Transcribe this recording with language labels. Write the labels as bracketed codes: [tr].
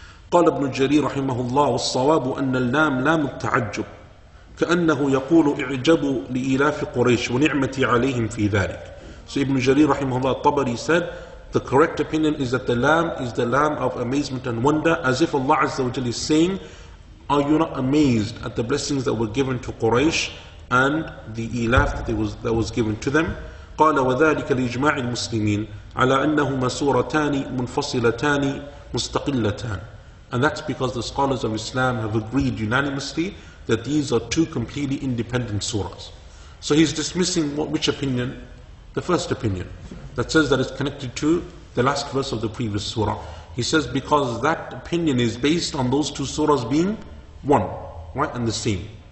[ar] قال ابن جرير رحمه الله والصواب أن اللام لام التعجب كأنه يقول اعجبوا لإلاف قريش ونعمة عليهم في ذلك. [en] So [ar] ابن جرير رحمه الله الطبري [en] said the correct opinion is that the lam is the lam of amazement and wonder, as if Allah Azza wa Jalla is saying, are you not amazed at the blessings that were given to Quraysh and the ilaf that was given to them. [ar] قال وذلك لإجماع المسلمين على أنهما سورتان منفصلتان مستقلتان. [en] And that's because the scholars of Islam have agreed unanimously that these are two completely independent surahs. So he's dismissing which opinion? The first opinion, that says that it's connected to the last verse of the previous surah. He says because that opinion is based on those two surahs being one, right, and the same.